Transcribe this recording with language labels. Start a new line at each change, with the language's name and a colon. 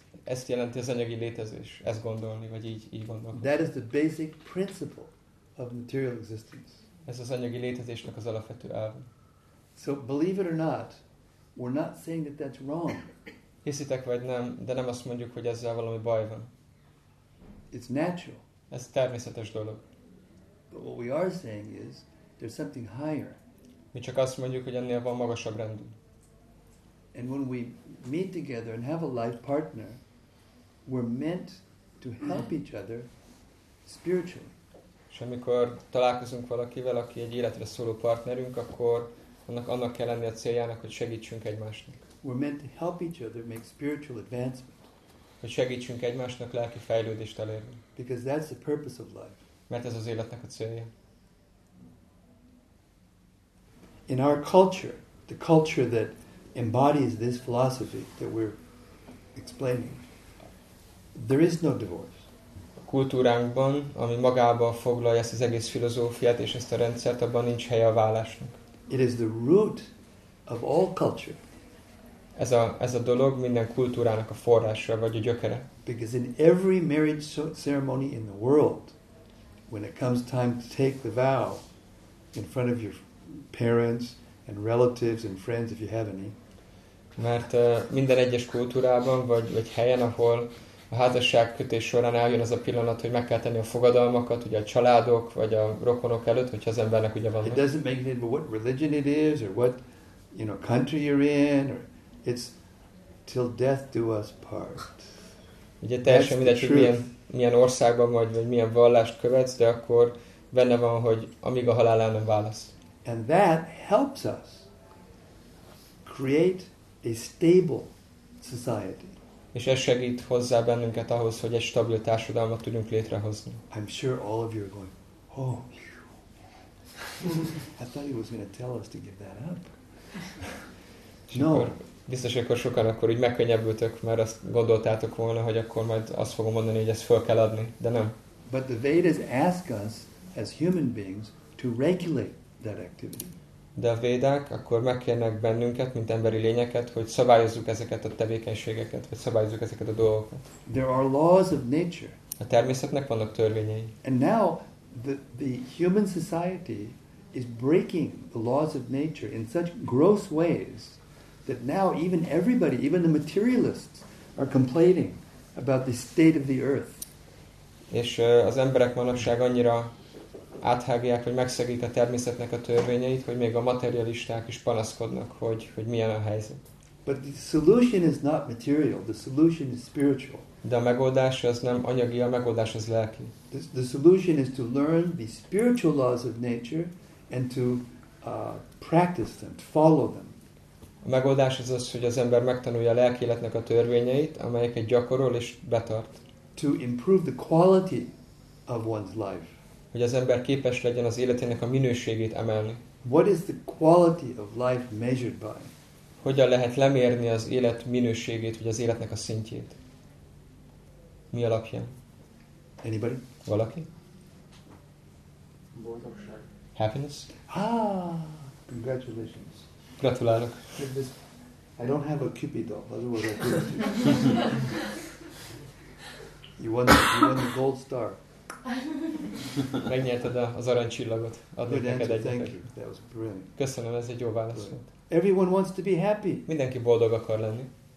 Hungarian: Ezt jelenti az anyagi létezés, ezt gondolni, vagy így gondolni.
English: That is the basic principle of material existence.
Hungarian: Ez az anyagi létezésnek az alapvető elve.
English: So believe it or not, we're not saying that that's wrong.
Hungarian: Hiszitek vagy nem, de nem azt mondjuk, hogy ezzel valami baj van.
English: It's natural.
Hungarian: Ez természetes dolog.
English: But what we are saying is there's something higher.
Hungarian: Mi csak azt mondjuk, hogy ennél van magasabb rendű.
English: And when we meet together and have a life partner, we're meant to help each other spiritually.
Hungarian: És amikor találkozunk valakivel, aki egy életre szóló partnerünk, akkor annak kell lenni a céljának, hogy segítsünk egymásnak.
English: We're meant to help each other make spiritual advancement.
Hungarian: Hogy segítsünk egymásnak lelki fejlődést elérni.
English: Because that's the purpose of life.
Hungarian: Mert ez az életnek a célja.
English: In our culture, the culture that embodies this philosophy that we're explaining. There is no divorce.
Hungarian: A kultúránkban, ami magában foglalja ezt az egész filozófiát és ezt a rendszert, abban nincs helye a válásnak.
English: It is the root of all culture.
Hungarian: Ez a dolog minden kultúrának a forrása vagy a gyökere.
English: Because in every marriage ceremony in the world, when it comes time to take the vow in front of your parents and relatives and friends, if you have any.
Hungarian: Mert minden egyes kultúrában vagy helyen, ahol a házasságkötés során eljön az a pillanat, hogy meg kell tenni a fogadalmakat, ugye a családok vagy a rokonok előtt, hogyha az embernek ugye van.
English: It doesn't make any difference what religion it is or what, you know, country you're in, or it's till death do us part.
Hungarian: Ugye teljesen mindegy, hogy milyen országban vagy, vagy milyen vallást követsz, de akkor benne van, hogy amíg a halál el nem válasz.
English: And that helps us create a stable society.
Hungarian: És ez segít hozzá bennünket ahhoz, hogy egy stabil társadalmat tudjunk létrehozni.
English: I'm sure all of you are going, oh, man. I thought he was going to tell us to give that up. No.
Hungarian: Biztos, akkor sokan akkor úgy megkönnyebbültök, mert azt gondoltátok volna, hogy akkor majd azt fogom mondani, hogy ezt fel kell adni, de nem.
English: But the Vedas ask us as human beings to regulate that activity.
Hungarian: De a védák akkor megkérnek bennünket, mint emberi lényeket, hogy szabályozzuk ezeket a tevékenységeket, vagy szabályozzuk ezeket a dolgokat.
English: There are laws of nature.
Hungarian: A természetnek vannak törvényei.
English: And now the human society is breaking the laws of nature in such gross ways that now even everybody, even the materialists are complaining about the state of the earth.
Hungarian: És az emberek manapság annyira áthágják, hogy megszegik a természetnek a törvényeit, hogy még a materialisták is panaszkodnak, hogy milyen a helyzet.
English: But the solution is not material, the solution is spiritual.
Hungarian: De a megoldás az nem anyagi, a megoldás az lelki.
English: The solution is to learn the spiritual laws of nature and to practice them, to follow them.
Hungarian: A megoldás az az, hogy az ember megtanulja a lelki életnek a törvényeit, amelyeket gyakorol és betart.
English: To improve the quality of one's life.
Hungarian: Hogy az ember képes legyen az életének a minőségét emelni.
English: What is the quality of life measured by?
Hungarian: Hogyan lehet lemérni az élet minőségét, vagy az életnek a szintjét? Mi alapján?
English: Anybody?
Hungarian: Valaki? Boldogság.
English: Happiness? Ah, congratulations.
Hungarian: Gratulálok.
English: I don't have a cupid doll, otherwise I could have. You won the gold star.
Hungarian: Megnyerted az aranycsillagot. Adnék
English: good
Hungarian: neked egyet. Köszönöm, ez egy jó válasz volt.
English: Everyone wants to be happy.
Hungarian: Mindenki boldog akar lenni.